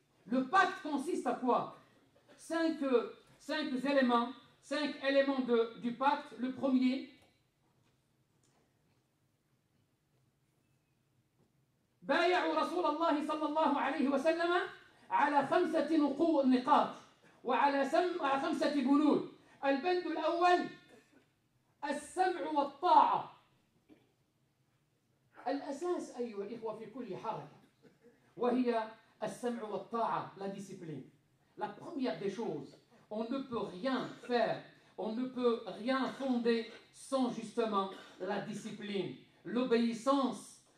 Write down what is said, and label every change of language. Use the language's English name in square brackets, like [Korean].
[French] Le pacte consiste à quoi ? Cinq éléments du pacte. Le premier, [Arabic] بايعوا رسول الله صلى الله عليه وسلم على خمسة نقاط وعلى خمسة بنود. البند الأول السمع والطاعة. الأساس أيها الإخوة في كل حركة وهي السمع والطاعة. [French] La discipline. La première des choses, on ne peut rien faire, on ne peut rien fonder sans justement la discipline, l'obéissance.